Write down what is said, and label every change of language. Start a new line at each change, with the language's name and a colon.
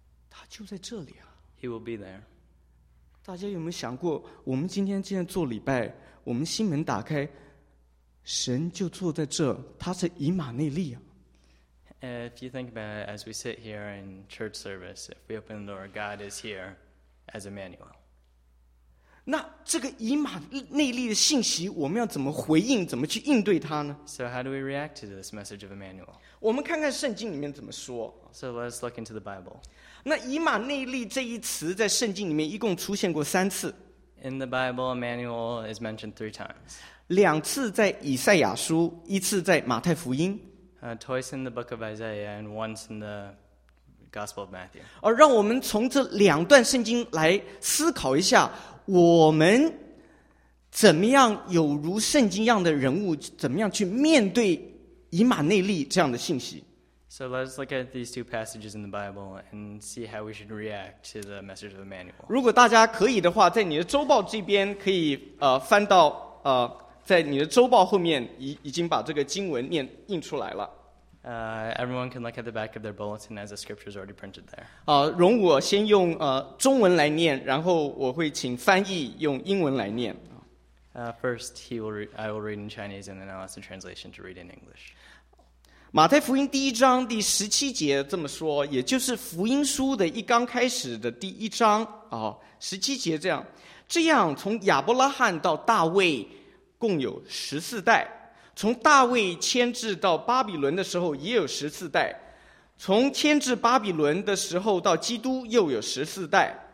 Chinese: 他就在这里啊。
English: He will be there.
Chinese: 大家有没有想过，我们今天这样做礼拜，我们心门打开，神就坐在这，他是以马内利啊。
English: If you think about it, as we sit here in church service, if we open the door, God is here as Emmanuel.
Chinese: 那这个以马内利的信息，我们要怎么回应，怎么去应对它呢？
English: So how do we react to this message of Emmanuel?
Chinese: 我们看看圣经里面怎么说。
English: So let's look into the Bible.
Chinese: 那以马内利这一词在圣经里面一共出现过三次。
English: In the Bible, Emmanuel is mentioned three times.
Chinese: 两次在以赛亚书，一次在马太福音。
English: Twice in the book of Isaiah and once in the Gospel of Matthew.
Chinese: 让我们从这两段圣经来思考一下，我们怎么样有如圣经一样的人物，怎么样去面对以马内利这样的信息。
English: So let's look at these two passages in the Bible and see how we should react to the message of Emmanuel.
Chinese: 如果大家可以的话，在你的周报这边可以翻到在你的周报后面已经把这个经文念印出来了。
English: Everyone can look at the back of their bulletin as the scripture is already printed there.
Chinese: 容我先用中文来念，然后我会请翻译用英文来念。
English: First, I will read in Chinese, and then I'll ask the translation to read in English.
Chinese: 马太福音第一章第十七节这么说，也就是福音书的一刚开始的第一章十七节这样。这样，从亚伯拉罕到大卫，共有十四代。从大卫迁至到巴比伦的时候也有十四代，从迁至巴比伦的时候到基督又有十四代。